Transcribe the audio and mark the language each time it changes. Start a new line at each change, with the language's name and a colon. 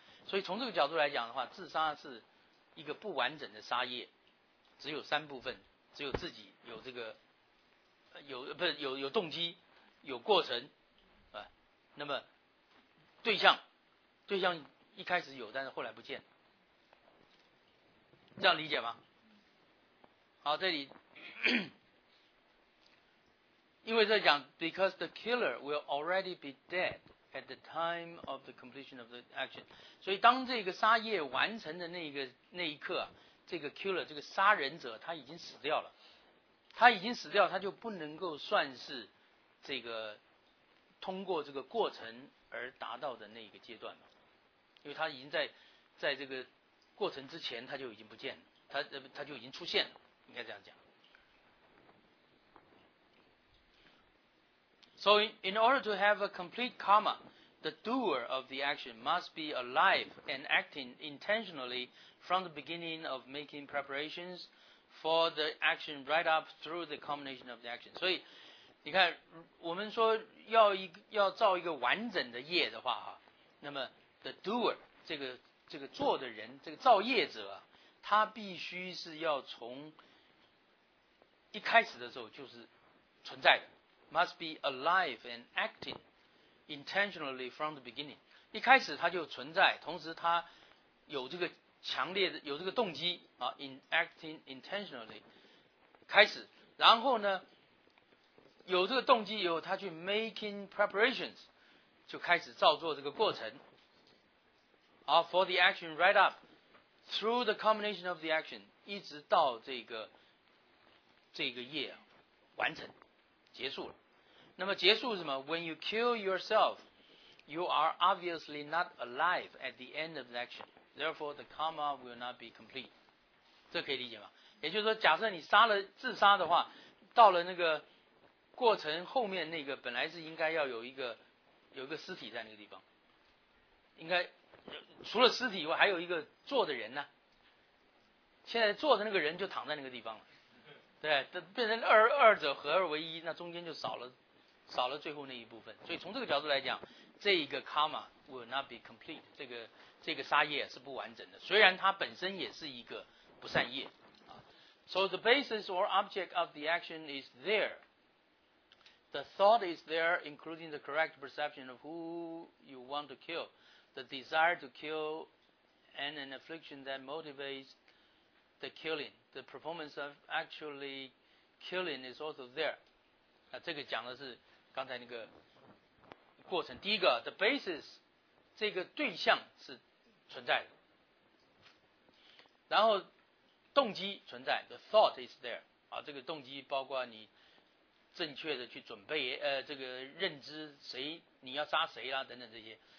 Chinese: 所以从这个角度来讲的话，自杀是一个不完整的杀业，只有三部分，只有自己有这个有不是有动机，有过程啊。那么对象一开始有，但是后来不见了，这样理解吗？好，这里。因为在讲
English: because the killer will already be dead at the time of the completion of the action.
Chinese: 所以当这个杀业完成的那一刻、啊、这个 killer, 这个杀人者他已经死掉了。他已经死掉，他就不能够算是这个通过这个过程而达到的那一个阶段嘛。因为他已经在这个过程之前他就已经不见了， 他就已经出现了，应该这样讲。
English: So in order to have a complete karma, the doer of the action must be alive and acting intentionally from the beginning of making preparations for the action right up through the culmination of the action.
Chinese: 所以你看我们说要造一个完整的业的话、啊、那么
English: the doer,
Chinese: 这个做的人，这个造业者、啊、他必须是要从一开始的时候就是存在的。
English: Must be alive and acting intentionally from the beginning.
Chinese: 一开始他就存在，同时他有这个强烈的有这个动机啊 ，
English: in acting intentionally
Chinese: 开始，然后呢，有这个动机以后，他去
English: making preparations
Chinese: 就开始造作这个过程。
English: For the action right up through the combination of the action
Chinese: 一直到这个业完成结束了。那么结束是什么？
English: When you kill yourself, you are obviously not alive at the end of the action. Therefore, the karma will not be complete.
Chinese: 这可以理解吗？也就是说，假设你杀了自杀的话，到了那个过程后面那个本来是应该要有一个尸体在那个地方，应该除了尸体以外还有一个坐的人呢。现在坐的那个人就躺在那个地方了，对，变成二者合二为一，那中间就少了最后那一部分。所以从这个角度来讲，这一个
English: karma will not be complete，
Chinese: 这个杀业是不完整的，虽然它本身也是一个不善业。
English: So the basis or object of the action is there. The thought is there, including the correct perception of who you want to kill, the desire to kill, and an affliction that motivates the killing. The performance of actually killing is also there.
Chinese: 那这个讲的是刚才那个过程。第一个 ，
English: the basis，
Chinese: 这个对象是存在的，然后动机存在 ，
English: the thought is there。
Chinese: 啊，这个动机包括你正确的去准备，这个认知谁你要杀谁啦、啊、等等这些。